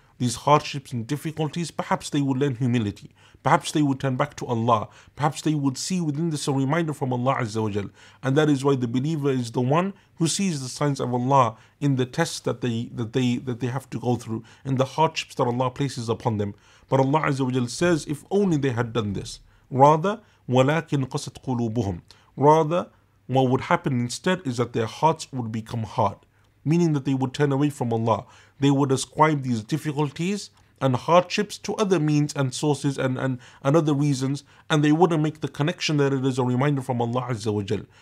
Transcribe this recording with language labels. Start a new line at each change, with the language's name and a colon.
English: These hardships and difficulties, perhaps they would learn humility. Perhaps they would turn back to Allah. Perhaps they would see within this a reminder from Allah Azza wa Jal. And that is why the believer is the one who sees the signs of Allah in the tests that they have to go through, in the hardships that Allah places upon them. But Allah Azza wa Jal says, if only they had done this.
Arabic: Rather, وَلَكِنْ قَسَتْ قُلُوبُهُمْ.
English: Rather, what would happen instead is that their hearts would become hard. Meaning that they would turn away from Allah. They would ascribe these difficulties and hardships to other means and sources and other reasons, and they wouldn't make the connection that it is a reminder from Allah Azza wa Jal.